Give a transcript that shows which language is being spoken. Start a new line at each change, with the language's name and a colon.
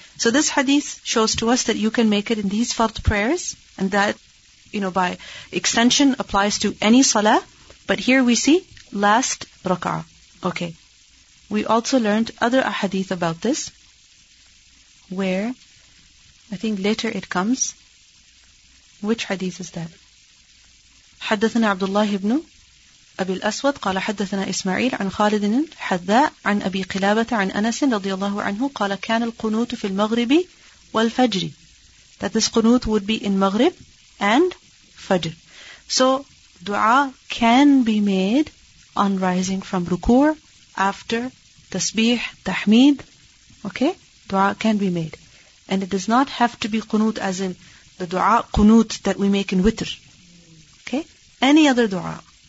English: So this hadith shows to us that you can make it in these fard prayers, and that, you know, by extension applies to any salah. But here we see last rak'ah. Okay. We also learned other ahadith about this, where I think later it comes. Which hadith is that?
Arabic: حدثنا عبد الله بن أبي الأسود قال حدثنا إسماعيل عن خالد حذاء عن أبي قلابة عن أنس رضي الله عنه قال كان القنوت في المغرب والفجر.
English: That this قنوت would be in Maghrib and Fajr. So dua can be made on rising from ruku' after tasbih, tahmid. Okay? Dua can be made. And it does not have to be qunut as in the dua qunut that we make in witr. Okay? Any other dua.